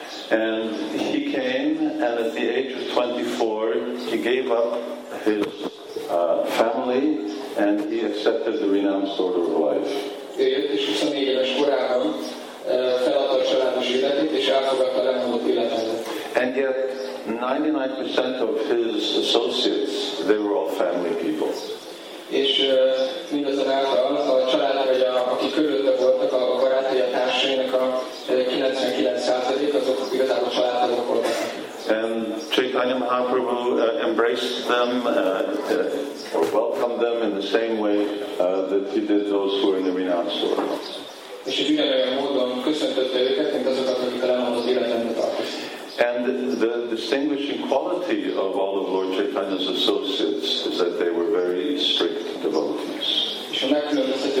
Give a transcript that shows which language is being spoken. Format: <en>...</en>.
<en>And he came, and at the age of 24, he gave up his family, and he accepted the renounced order of life.</en> <hu>élt, és 24 éves korában feladta a családos életét, és elfogadta a lemondott életet.</hu> <en>And yet, 99% of his associates, they were all family people.</en> <hu>És mindazonáltal a család, vagy aki körülötte voltak, a barátai, a társainak a 99% azok igazából családtagok voltak.</hu> <en>And Chaitanya Mahaprabhu embraced them or welcomed them in the same way that he did those who were in the renounced world. And the distinguishing quality of all of Lord Chaitanya's associates is that they were very strict devotees.</en>